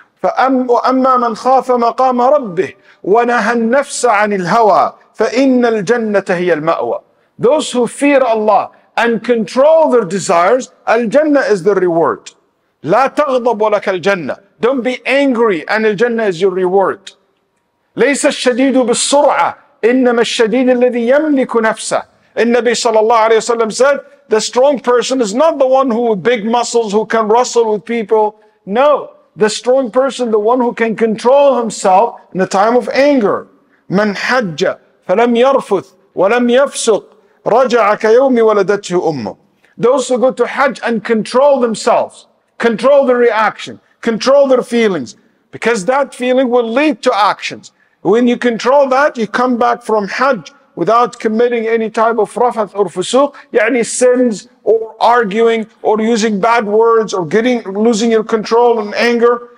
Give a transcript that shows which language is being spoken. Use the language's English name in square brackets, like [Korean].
[Arabic] فَأَمَّا مَنْ خَافَ مَقَامَ رَبِّهِ وَنَهَى النَّفْسَ عَنِ الْهَوَى فَإِنَّ الْجَنَّةَ هِيَ الْمَأْوَى. [English] Those who fear Allah and control their desires, al-jannah is the reward. [Arabic] لا تغضب ولك الجنة. [English] Don't be angry and الجنة is your reward. [Arabic] ليس الشديد بالسرعة إنما الشديد الذي يملك نفسه. النبي صلى الله عليه وسلم [English] said, the strong person is not the one who with big muscles who can wrestle with people. No, the strong person, the one who can control himself in the time of anger. [Arabic] من حج فلم يرفث ولم يفسق رجع كيوم ولدته أمه. [English] Those who go to Hajj and control themselves, control their reaction, control their feelings, because that feeling will lead to actions. When you control that, you come back from Hajj without committing any type of rafath or fusuq, yani sins or arguing or using bad words or losing your control and anger.